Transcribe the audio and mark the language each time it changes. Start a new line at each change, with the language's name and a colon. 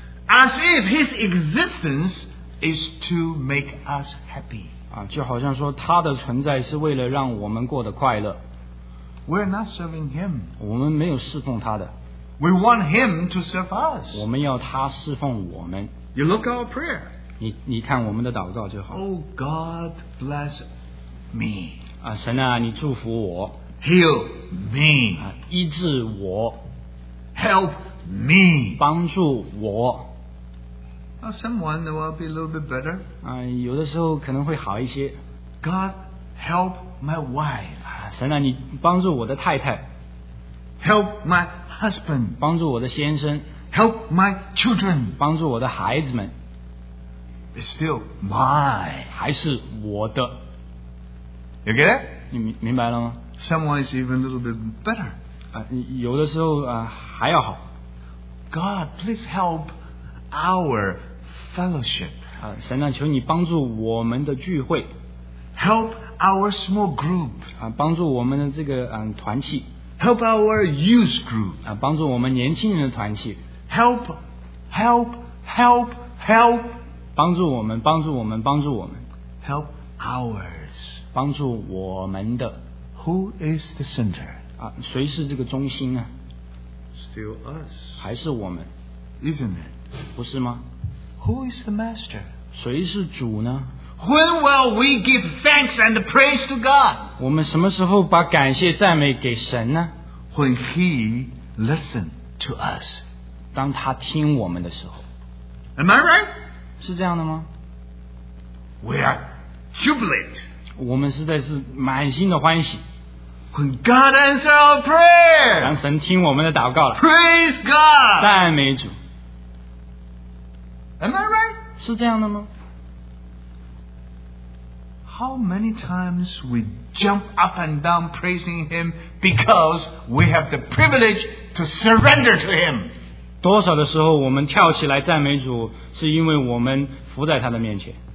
English: As if His existence is to make us happy.
Chinese: 就好像说他的存在是为了让我们过得快乐。
English: We're not serving Him.
Chinese: 我们没有侍奉他的。
English: We want Him to serve us.
Chinese: 我们要他侍奉我们。
English: You look at our prayer.
Chinese: 你看我们的祷告就好。
English: Oh God, bless me.
Chinese: 神啊, 你祝福我。
English: Heal me.
Chinese: 医治我。
English: Help me.
Chinese: 帮助我。
English: Someone will be a little bit better.
Chinese: 有的时候可能会好一些。
English: God, help my wife.
Chinese: 神啊, 你帮助我的太太。
English: Help my husband.
Chinese: 帮助我的先生。
English: Help my children.
Chinese: 帮助我的孩子们。
English: is still mine.
Chinese: 还是我的。
English: You get it?
Chinese: 你明白了吗？
English: Someone is even a little bit better.
Chinese: 有的时候还要好。
English: God, please help our fellowship.
Chinese: 神啊，求你帮助我们的聚会。
English: Help our small group.
Chinese: 帮助我们的这个团契。
English: Help our youth group.
Chinese: 帮助我们年轻人的团契。
English: Help, help, help, help.
Chinese: 帮助我们，帮助我们，帮助我们。
English: Help ours.
Chinese: 帮助我们的。
English: Who is the center?
Chinese: 谁是这个中心呢？
English: Still us.
Chinese: 还是我们。
English: Isn't it?
Chinese: 不是吗？
English: Who is the master?
Chinese: 谁是主呢？
English: When will we give thanks and praise to God?
Chinese: 我们什么时候把感谢赞美给神呢？
English: When he listen to us.
Chinese: 当他听我们的时候。
English: Am I right?
Chinese: 是这样的吗？
English: We are jubilant.
Chinese: 我们实在是满心的欢喜。
English: When God answer our prayer.
Chinese: 当神听我们的祷告了。
English: Praise God.
Chinese: 赞美主。
English: Am I right?
Chinese: 是这样的吗？
English: How many times we jump up and down praising him because we have the privilege to surrender to him?
Chinese: 多少的时候我们跳起来赞美主是因为我们伏在他的面前。